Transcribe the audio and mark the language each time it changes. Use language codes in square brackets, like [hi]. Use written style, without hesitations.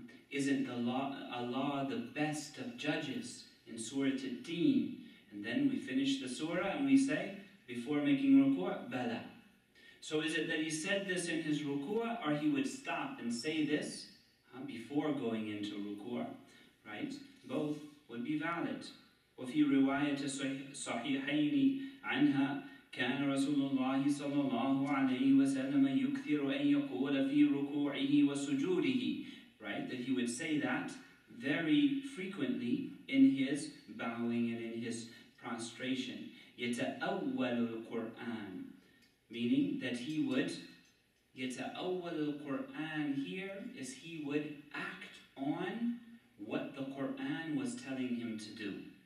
[en] Isn't Allah the best of judges in Surah At-Din? And then we finish the surah and we say, before making ruku', bala. So is it that he said this in his ruku', or he would stop and say this before going into ruku', right? Both would be valid. [ar] وفي رواية صحيحين عنها كان رسول الله صلى الله عليه وسلم يكثر أن يقول في ركوعه وسجوده. [en] Right? That he would say that very frequently in his bowing and in his prostration. [ar] يتأول القرآن. [en] Meaning that he would, [ar] يتأول القرآن [en] here is he would act on what the Qur'an was telling him to do.